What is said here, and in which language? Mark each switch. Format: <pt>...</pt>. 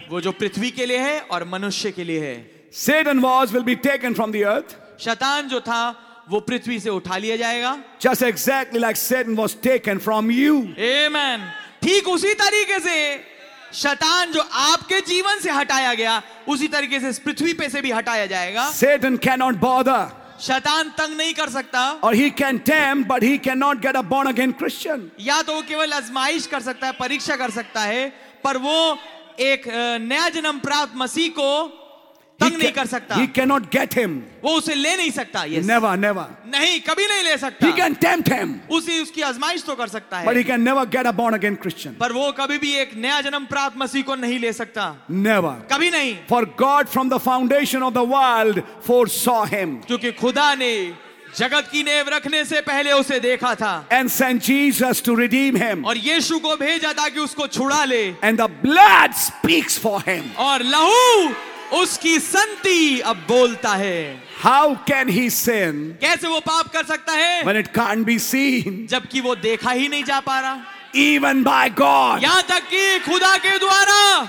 <hi>वो जो पृथ्वी के लिए है और मनुष्य के लिए है.</hi> <en>Satan was will be taken from the earth.</en> <hi>शैतान जो था वो पृथ्वी से उठा लिया जाएगा.</hi> <en>Just exactly like Satan was taken from you. Amen.</en> <hi>ठीक उसी तरीके से शैतान जो आपके जीवन से हटाया गया उसी तरीके से इस पृथ्वी पे से भी हटाया जाएगा.</hi> <en>Satan cannot bother.</en> <hi>शैतान तंग नहीं कर सकता.</hi> <en>Or he can tempt, but he cannot get a born again Christian.</en> <hi>या तो वो केवल आजमाइश कर सकता है, परीक्षा कर सकता है, पर वो एक नया जन्म प्राप्त मसीह को तंग नहीं कर सकता.</hi> <en>He cannot get him.</en> <hi>वो उसे ले नहीं सकता. Yes.</hi> <en>Never, never.</en> <hi>नहीं, कभी नहीं ले सकता.</hi> <en>He can tempt him.</en> <hi>उसी उसकी आजमाइश तो कर सकता है.</hi> <en>But he can never get a born again Christian.</en> <hi>पर वो कभी भी एक नया जन्म प्राप्त मसीह को नहीं ले सकता.</hi> <en>Never.</en> <hi>कभी नहीं.</hi> <en>For God from the foundation of the world foresaw him.</en> <hi>क्योंकि खुदा ने जगत की नेव रखने से पहले उसे देखा था.</hi> <en>And sent Jesus to redeem him.</en> <hi>और यीशु को भेजा था कि उसको छुड़ा ले.</hi> <en>And the blood speaks for him.</en> <hi>और लहू उसकी संति अब बोलता है.</hi> <en>How can he sin?</en> <hi>कैसे वो पाप कर सकता है?</hi> <en>When it can't be seen.</en> <hi>जबकि वो देखा ही नहीं जा पा रहा.</hi> <en>Even by God.</en> <hi>यहां तक कि खुदा के द्वारा.</hi>